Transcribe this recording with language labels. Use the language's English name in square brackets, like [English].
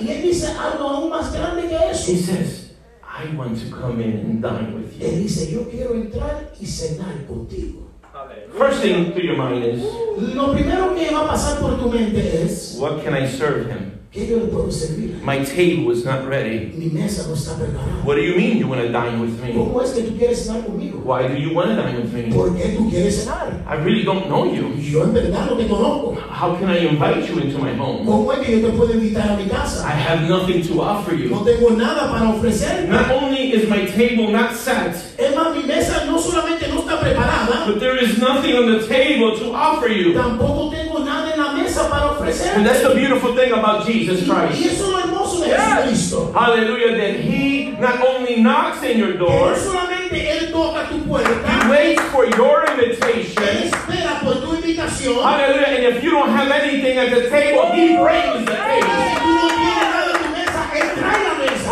[Spanish] Y él dice algo aún más grande que eso. [English] He says, I want to come in and dine with you. [Spanish] Él dice, yo quiero entrar y cenar contigo. [English] First thing to your mind is, [Spanish] lo primero que va a pasar por tu mente es, [English] what can I serve him? [Spanish] ¿Qué yo le puedo servir? [English] My table is not ready. [Spanish] Mi mesa no está preparada. [English] What do you mean you want to dine with me? [Spanish] ¿Cómo es que tú quieres cenar conmigo? [English] Why do you want to dine with me? [Spanish] ¿Por qué tú quieres cenar? [English] I really don't know you. [Spanish] Yo en verdad no te conozco. [English] How can I invite you into my home? [Spanish] ¿Cómo es que yo te puedo invitar a mi casa? [English] I have nothing to offer you. [Spanish] No tengo nada para ofrecer. [English] Not only is my table not set, [Spanish] Emma, mi mesa no solamente no está preparada, [English] but there is nothing on the table to offer you. [Spanish] Tampoco tengo nada en la mesa para ofrecerte. [English] And that's the beautiful thing about Jesus Christ. [Spanish] Y eso es lo hermoso de Jesucristo. [English] Yes. Hallelujah, that he not only knocks in your door, [Spanish] él solamente él toca tu puerta, [English] he waits for your invitation. [Spanish] Él espera por tu invitación. [English] Hallelujah, and if you don't have anything at the table, he brings the table. [Spanish] Si tú no tienes nada en tu mesa, él trae la mesa.